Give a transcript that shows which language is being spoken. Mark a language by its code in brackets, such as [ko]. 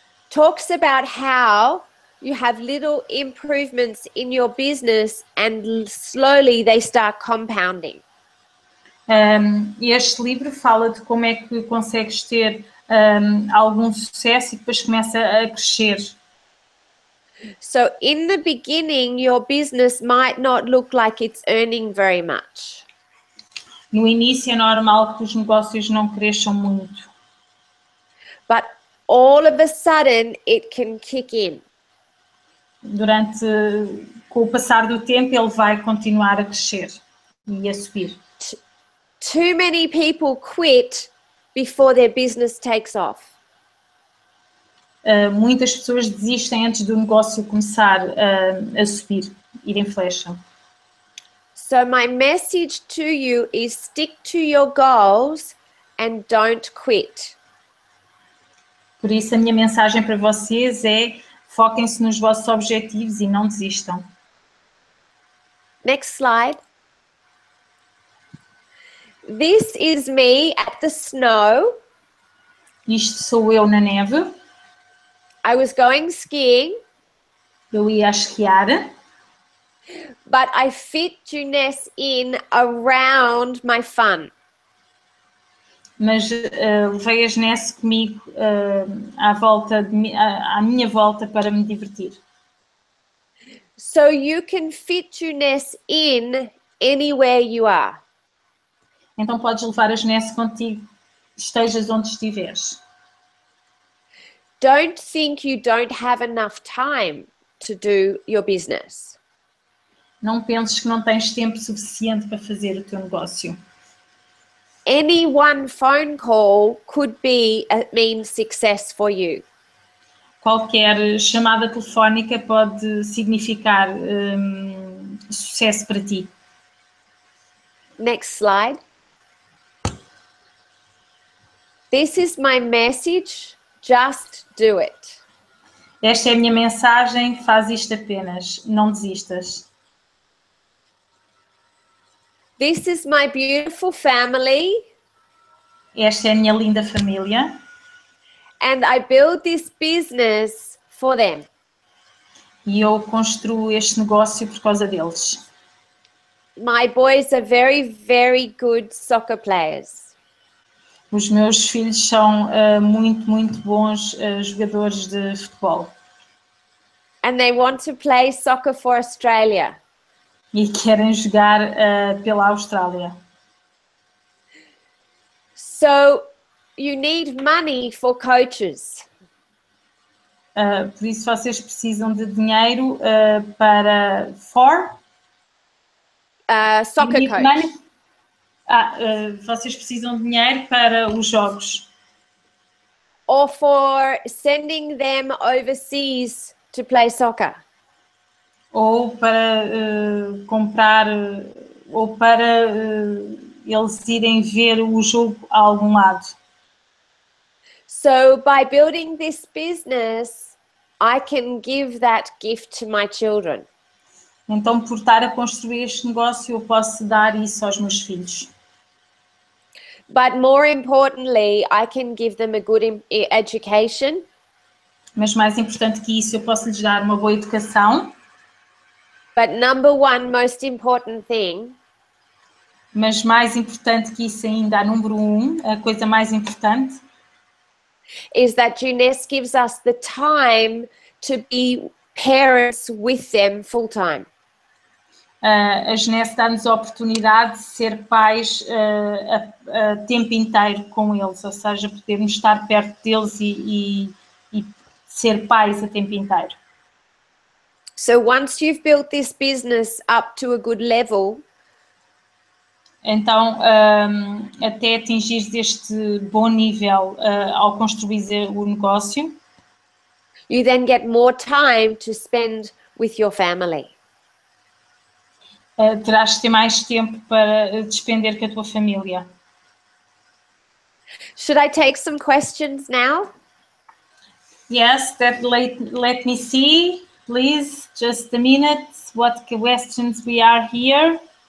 [en] talks about how you have little improvements in your business and slowly they start compounding. [pt] Este livro fala de como é que consegues ter algum sucesso e depois começa a crescer. [en] So in the beginning, your business might not look like it's earning very much. [pt] No início é normal que os negócios não cresçam muito. [en] But all of a sudden, it can kick in. [pt] Durante, com o passar do tempo, ele vai continuar a crescer e a subir. [en] Too many people quit before their business takes off. [pt] Muitas pessoas desistem antes do negócio começar a subir, ir em flecha. [en] So my message to you is stick to your goals and don't quit. [pt] Por isso a minha mensagem para vocês é foquem-se nos vossos objetivos e não desistam. [en] Next slide. This is me at the snow. [pt] Isto sou eu na neve. [en] I was going skiing. [pt] Eu ia a esquiar. [en] But I fit Juness in around my fun. [pt] Mas levei a Juness comigo à minha volta para me divertir. [en] So you can fit Juness in anywhere you are. [pt] Então podes levar a Juness contigo, estejas onde estiveres. [en] Don't think you don't have enough time to do your business. [pt] Não penses que não tens tempo suficiente para fazer o teu negócio. [en] Any one phone call could be a mean success for you. [pt] Qualquer chamada telefónica pode significar sucesso para ti. [en] Next slide. This is my message, just do it. [pt] Esta é a minha mensagem, faz isto apenas, não desistas. [en] This is my beautiful family. [pt] Esta é a minha linda família. [en] And I build this business for them. [pt] E eu construo este negócio por causa deles. [en] My boys are very, very good soccer players. [pt] Os meus filhos são muito, muito bons jogadores de futebol. [en] And they want to play soccer for Australia. [pt] E querem jogar pela Austrália. [en] So, you need money for coaches. [pt] Por isso vocês precisam de dinheiro para... [en] For? Soccer coach. Money. [pt] Vocês precisam de dinheiro para os jogos. [en] Or for sending them overseas to play soccer. [pt] Ou para comprar, ou para eles irem ver o jogo a algum lado. [en] So, by building this business, I can give that gift to my children. [pt] Então, por estar a construir este negócio, eu posso dar isso aos meus filhos. [en] But more importantly, I can give them a good education. [pt] Mas mais importante que isso, eu posso lhes dar uma boa educação. [en] But number one, most important thing. [pt] Mas mais importante que isso ainda, número um, a coisa mais importante. [en] Is that Juness gives us the time to be parents with them full time. [pt] A Juness dá-nos a oportunidade de ser pais a tempo inteiro com eles. Ou seja, podermos estar perto deles e ser pais a tempo inteiro. [en] So once you've built this business up to a good level, [pt] então até atingires este bom nível ao construir o negócio, [en] you then get more time to spend with your family. [pt] terás de ter mais tempo para despender com a tua família. [en] Should I take some questions now? Yes, let me see, please, just a minute, what questions we are here.